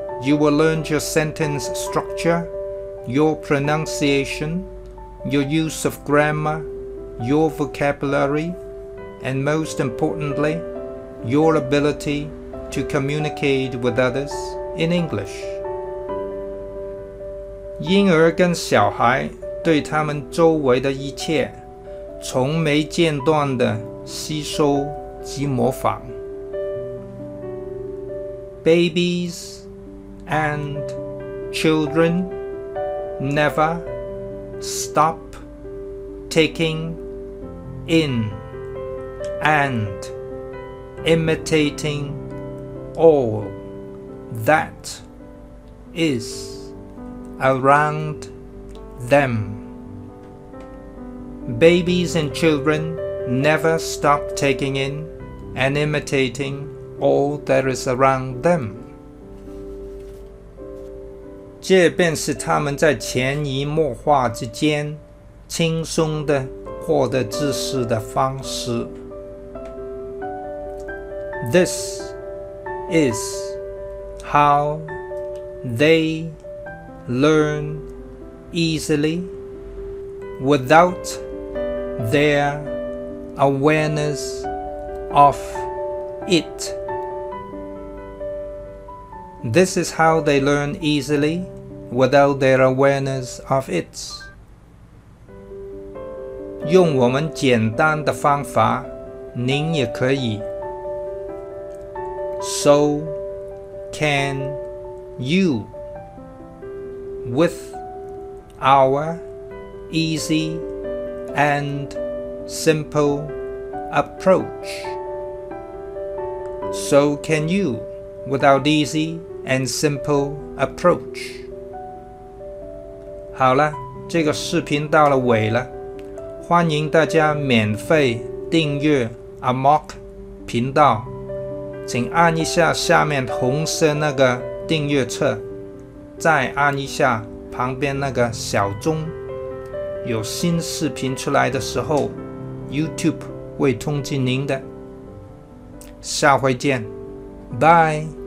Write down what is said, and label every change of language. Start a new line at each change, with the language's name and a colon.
English: You will learn your sentence structure, your pronunciation, your use of grammar, your vocabulary, and most importantly, your ability to communicate with others in English.
Chinese: 婴儿跟小孩对他们周围的一切从没间断地吸收及模仿。
English: Babies and children never stop taking in and imitating all that is around them. Babies and children never stop taking in and imitating all that is around them.
Chinese: 这便是他们在潜移默化之间轻松地获得知识的方式。
English: This is how they learn easily withoutTheir awareness of it. This is how they learn easily without their awareness of it.
Chinese: 用我们简单的方法，您也可以。
English: So can you with our easy and simple approach. So can you with our easy and simple approach.
Chinese: 好了，这个视频到了尾了，欢迎大家免费订阅 Amok 频道，请按一下下面红色那个订阅册，再按一下旁边那个小钟，有新视频出来的时候YouTube 会通知您的。下回见，拜。